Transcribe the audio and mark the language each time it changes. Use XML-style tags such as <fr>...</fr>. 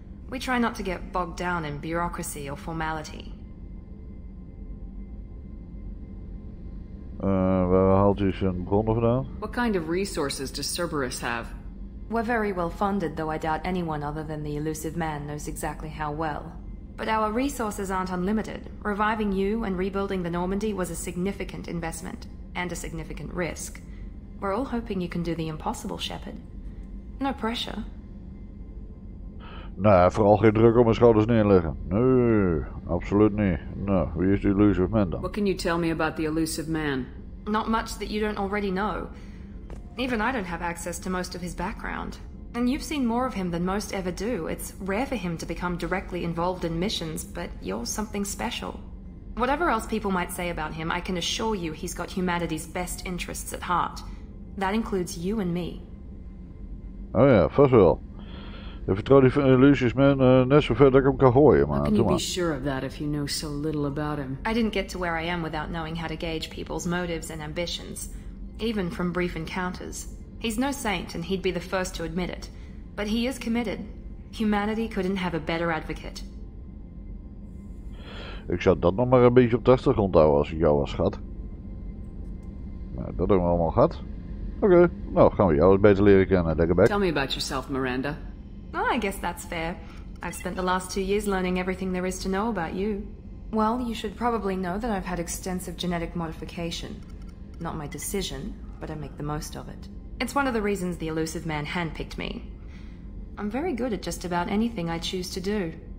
<en>We try not to get bogged down in bureaucracy or formality.</en> <nl>Waar haalt u zijn bronnen vandaan?</nl> <en>What kind of resources does Cerberus have? We're very well funded, though I doubt anyone other than the Illusive Man knows exactly how well. But our resources aren't unlimited. Reviving you and rebuilding the Normandy was a significant investment, and a significant risk. We're all hoping you can do the impossible, Shepard. No pressure.</en> <nl>Nou, vooral geen druk op mijn schouders neerleggen. Nee, absoluut niet. Nou, wie is die Illusive Man dan?</nl> <en>What can you tell me about the Illusive Man? Not much that you don't already know. Even I don't have access to most of his background. And you've seen more of him than most ever do. It's rare for him to become directly involved in missions, but you're something special. Whatever else people might say about him, I can assure you he's got humanity's best interests at heart. That includes you and me.</en> <nl>Oh ja, vast wel. Ik vertrouw die Illusive Man net zo ver dat ik hem kan gooien, maar doe maar.</nl> <en>Can you be sure of that if you know so little about him? I didn't get to where I am without knowing how to gauge people's motives and ambitions. Even from brief encounters. He's no saint, and he'd be the first to admit it. But he is committed. Humanity couldn't have a better advocate.</en> <nl>Ik zou dat nog maar een beetje op de achtergrond houden als ik jou was, schat. Nou, dat doen we allemaal, gehad. Oké, nou gaan we jou eens beter leren kennen, denk ik.</nl> <en>Tell me about yourself, Miranda. Oh, I guess that's fair. I've spent the last 2 years learning everything there is to know about you. Well, you should probably know that I've had extensive genetic modification. Not my decision, but I make the most of it. It's one of the reasons the Illusive Man handpicked me. I'm very good at just about anything I choose to do.</en>